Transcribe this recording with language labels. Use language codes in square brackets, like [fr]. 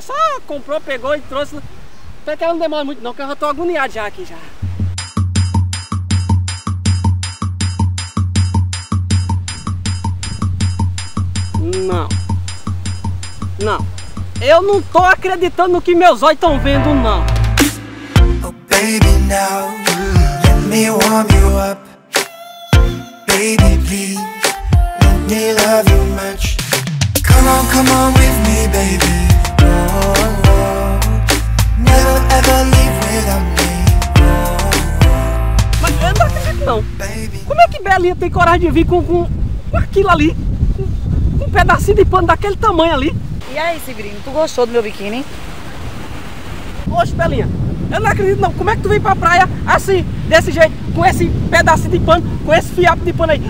[pt] Só comprou, pegou e trouxe. Espero que ela não demore muito, não, que eu já tô agoniado já aqui, já. Não. Não. Eu não tô acreditando no que meus olhos estão vendo, não. [en] Oh, baby, now, let me warm you up. Baby, please, let me love you much. Come on, come on with me, baby. Oh, oh, never ever leave without me. [pt] Oh, oh. Mas eu não acredito, não. Baby, como é que Belinha tem coragem de vir com aquilo ali? Um pedacinho de pano daquele tamanho ali. E aí, Sibirinho, tu gostou do meu biquíni? Oxe, Belinha, eu não acredito não. Como é que tu veio pra praia assim, desse jeito, com esse pedacinho de pano, com esse fiapo de pano aí?